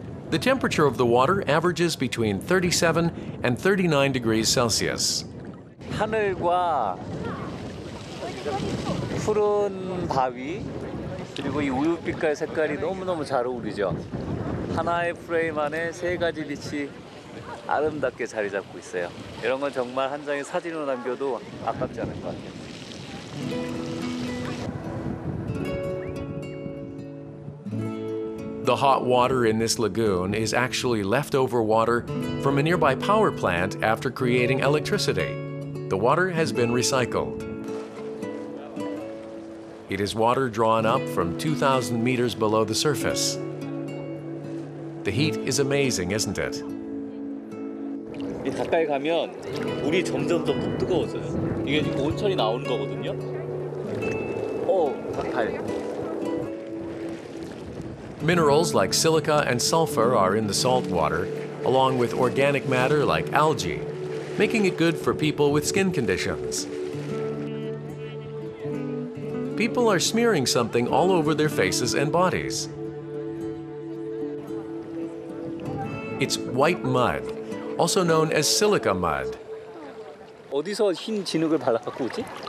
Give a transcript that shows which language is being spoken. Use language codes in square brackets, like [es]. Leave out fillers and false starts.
[en] The temperature of the water averages between 37 and 39 degrees Celsius. [ko] 하늘과 푸른 바위 그리고 이 우유빛깔 색깔이 너무너무 잘 어울리죠. 하나의 프레임 안에 세 가지 빛이 아름답게 자리 잡고 있어요. 이런 건 정말 한 장의 사진으로 남겨도 아깝지 않을 것 같아요. [en] The hot water in this lagoon is actually leftover water from a nearby power plant after creating electricity. The water has been recycled. It is water drawn up from 2,000 meters below the surface. The heat is amazing, isn't it? [ko] 가까이 가면 물이 점점 더 뜨거워져요. 이게 지금 온천이 나오는 거거든요. 오, 가까이. [en] Minerals like silica and sulfur are in the salt water, along with organic matter like algae, making it good for people with skin conditions. People are smearing something all over their faces and bodies. It's white mud, also known as silica mud. [ko] 어디서 흰 진흙을 발라 갖고 오지?